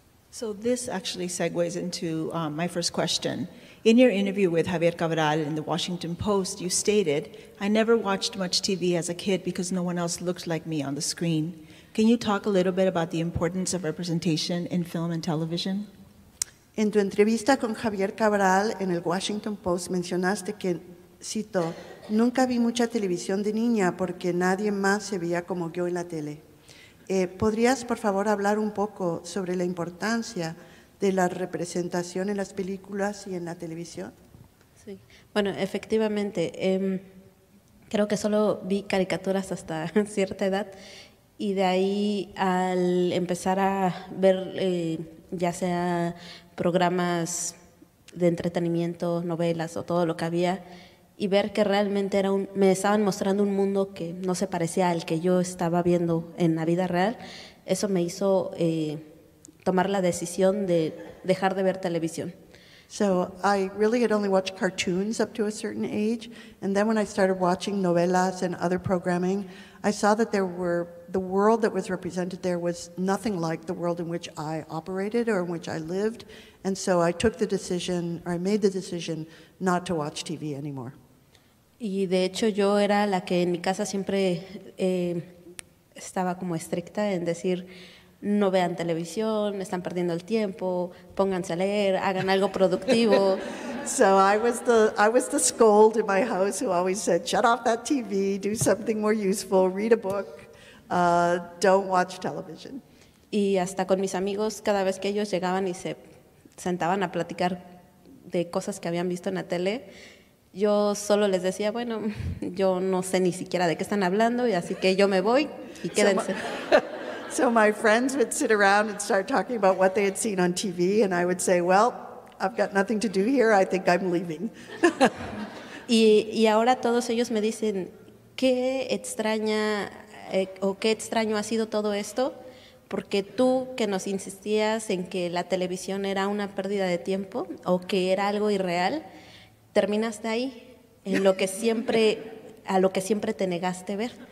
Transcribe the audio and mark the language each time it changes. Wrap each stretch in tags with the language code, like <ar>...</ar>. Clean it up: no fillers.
<en>So this actually segues into my first question. In your interview with Javier Cabral in the Washington Post, you stated, "I never watched much TV as a kid because no one else looked like me on the screen." Can you talk a little bit about the importance of representation in film and television?</en> <es>En tu entrevista con Javier Cabral en el Washington Post mencionaste que, cito, "nunca vi mucha televisión de niña porque nadie más se veía como yo en la tele." ¿Podrías, por favor, hablar un poco sobre la importancia de la representación en las películas y en la televisión? Sí. Bueno, efectivamente, creo que solo vi caricaturas hasta cierta edad, y de ahí al empezar a ver ya sea programas de entretenimiento, novelas o todo lo que había, y ver que realmente me estaban mostrando un mundo que no se parecía al que yo estaba viendo en la vida real, eso me hizo tomar la decisión de dejar de ver televisión.</es> <en>So I really had only watched cartoons up to a certain age, and then when I started watching novelas and other programming, I saw that the world that was represented there was nothing like the world in which I operated or in which I lived, and so I made the decision not to watch TV anymore.</en> <es>Y de hecho yo era la que en mi casa siempre estaba como estricta en decir, no vean televisión, están perdiendo el tiempo, pónganse a leer, hagan algo productivo.</es> <en>So I was the scold in my house who always said, shut off that TV, do something more useful, read a book, don't watch television.</en> <es>Y hasta con mis amigos, cada vez que ellos llegaban y se sentaban a platicar de cosas que habían visto en la tele, yo solo les decía, bueno, yo no sé ni siquiera de qué están hablando, y así que yo me voy y quédense.</es> <en>So my friends would sit around and start talking about what they had seen on TV, and I would say, well, I've got nothing to do here, I think I'm leaving.</en> <es>Y ahora todos ellos me dicen, qué extraña o qué extraño ha sido todo esto, porque tú que nos insistías en que la televisión era una pérdida de tiempo o que era algo irreal, terminaste ahí, en lo que siempre, a lo que siempre te negaste ver.</es>